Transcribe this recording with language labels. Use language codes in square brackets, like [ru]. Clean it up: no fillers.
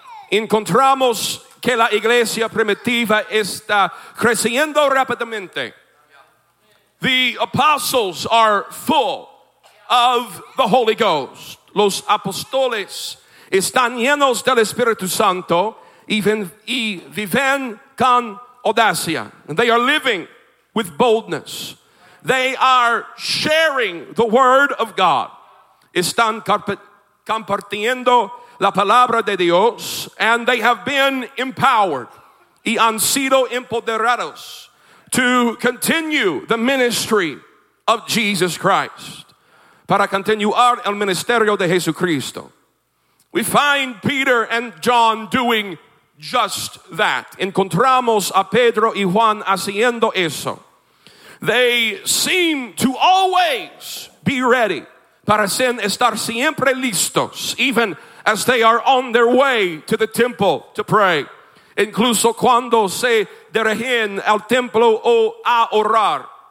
[es] Encontramos que la iglesia primitiva está creciendo rápidamente. [en] The apostles are full of the Holy Ghost. [es] Los apóstoles están llenos del Espíritu Santo y viven con audacia. [en] They are living with boldness. They are sharing the word of God. [es] Están compartiendo la palabra de Dios, [en] and they have been empowered [es] y han sido empoderados [en] to continue the ministry of Jesus Christ, [es] para continuar el ministerio de Jesucristo. [en] We find Peter and John doing just that. [es] Encontramos a Pedro y Juan haciendo eso. [en] They seem to always be ready, [es] para estar siempre listos, [en] even as they are on their way to the temple to pray. [es] Incluso cuando se dirigen al templo o a orar.